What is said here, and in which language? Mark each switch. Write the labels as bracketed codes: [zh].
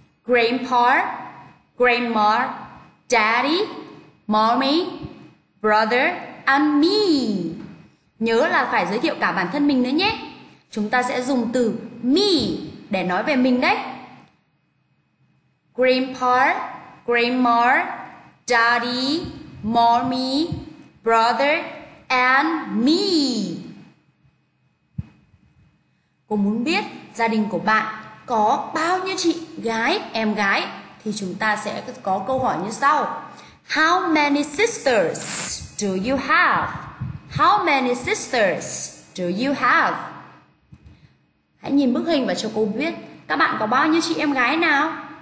[en] Grandpa, grandma, daddy, mommy, brother and me. [vi] Nhớ là phải giới thiệu cả bản thân mình nữa nhé. Chúng ta sẽ dùng từ me để nói về mình đấy. [en] Grandpa, grandma, daddy, mommy, brother and me. [vi] Cô muốn biết gia đình của bạn có bao nhiêu chị gái, em gái thì chúng ta sẽ có câu hỏi như sau. [en] How many sisters do you have? How many sisters do you have? [vi] Hãy nhìn bức hình và cho cô biết các bạn có bao nhiêu chị em gái nào.